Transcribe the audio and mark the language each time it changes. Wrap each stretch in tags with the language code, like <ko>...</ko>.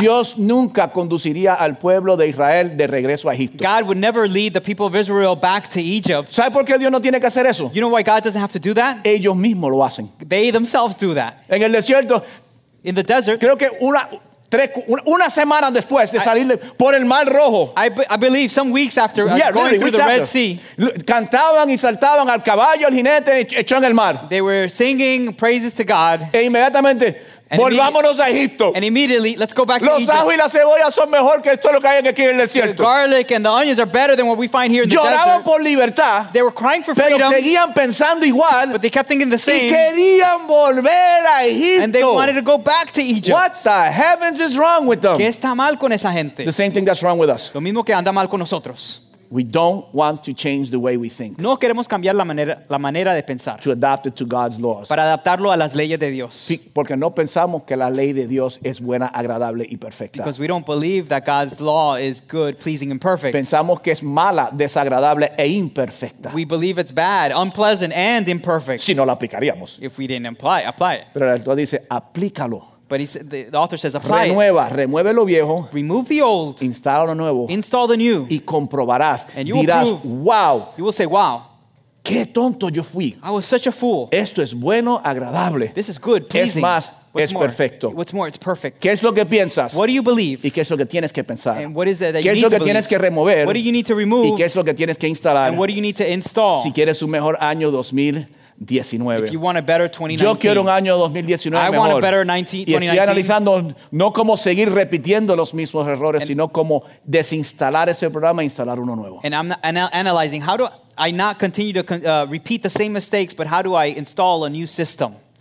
<es>Dios nunca conduciría al pueblo de Israel de regreso a Egipto.</es> <en>God would never lead the people of Israel back to Egypt.</en> <es>¿Sabe por qué Dios no tiene que hacer eso?</es> <en>You know why God doesn't have to do that?</en> <es>Ellos mismos lo hacen.</es> <en>They themselves do that.</en> <es>En el desierto.</es> <en>In the desert.</en> <es>Creo que una semana después de salir por el Mar Rojo.</es> <en>I believe some weeks after going through the Red Sea.</en> <es>Cantaban y saltaban al caballo, al jinete, echó en el mar.</es> <en>They were singing praises to God.</en> <es>E inmediatamente, volvámonos a Egipto.</es> <en>And immediately, let's go back</en> <es>los</es> <en>to Egypt.</en> <es>Los ajos y la cebolla son mejor que esto lo que hay aquí en el desierto.</es> <en>The garlic and the onions are better than what we find here in</en> <es>lloraban</es> <en>the desert.</en> <es>Lloraban por libertad.</es> <en>They were crying for freedom.</en> <es>Pero seguían pensando igual.</es> <en>But they kept thinking the same.</en> <es>Y querían volver a Egipto.</es> <en>And they wanted to go back to Egypt. What the heavens is wrong with them?</en> <es>¿Qué está mal con esa gente?</es> <en>The same thing that's wrong with us.</en> <es>Lo mismo que anda mal con nosotros.</es> <en>We don't want to change the way we think.</en> <es>No queremos cambiar la manera de pensar.</es> <en>To adapt it to God's laws.</en> <es>Para adaptarlo a las leyes de Dios. Sí, porque no pensamos que la ley de Dios es buena, agradable y perfecta.</es> <en>Because we don't believe that God's law is good, pleasing and perfect.</en> <es>Pensamos que es mala, desagradable e imperfecta.</es> <en>We believe it's bad, unpleasant and imperfect.</en> <es>Si no la aplicaríamos.</es> <en>If we didn't apply it.</en> <es>Pero el autor dice, aplícalo.</es> <en>But the author says, apply</en> <es>renueva,</es> <en>it.</en> <es>Remueve lo viejo,</es> <en>remove the old.</en> <es>Instala lo nuevo,</es> <en>install the new.</en> <es>Y comprobarás,</es> <en>and you</en> <es>dirás,</es> <en>will prove. Wow, you will say, wow.</en> <es>Qué tonto yo fui.</es> <en>I was such a fool.</en> <es>Esto es bueno, agradable.</es> <en>This is good, pleasing.</en> <es>Es más, es perfecto.</es> <en>What's more, it's perfect.</en> <es>¿Qué es lo que piensas?</es> <en>What do you believe?</en> <es>¿Y qué es lo que tienes que pensar?</es> <en>And what is it that you need</en> <es>¿qué es lo que tienes que remover?</es> <en>What do you need to remove?</en> <es>¿Y qué es lo que tienes que instalar?</es> <en>And what do you need to install?</en> <es>Si quieres un mejor año 2000. 19.</es> <en>If you want a better 2019,</en> <es>yo quiero un año 2019</es> <en>I</en> <es>mejor.</es> <en>Want a better 2019.</en> <es>Y estoy analizando no cómo seguir repitiendo los mismos errores, sino cómo desinstalar ese programa e instalar uno nuevo.</es> <en>And I'm analyzing how do I not continue to repeat the same mistakes, but how do I install a new system?</en>